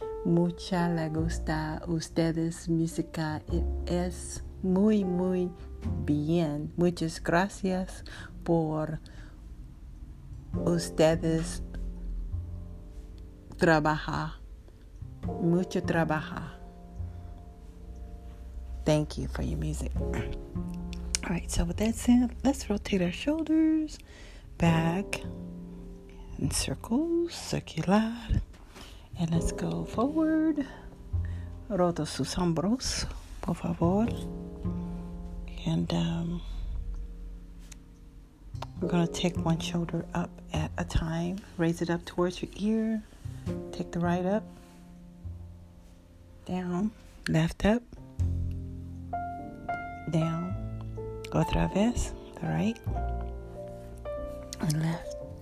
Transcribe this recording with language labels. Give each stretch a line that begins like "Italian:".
Spanish: Mucha le gusta ustedes música.
English: It is
Spanish: muy, muy bien. Muchas gracias por ustedes trabaja. Mucho trabaja.
English: Thank you for your music. All right, so with that said, let's rotate our shoulders back in circles, circular. And let's go forward.
Spanish: Roto sus hombros, por favor.
English: And we're going to take one shoulder up at a time. Raise it up towards your ear. Take the right up, down, left up, down,
Spanish: otra vez,
English: the right, and left.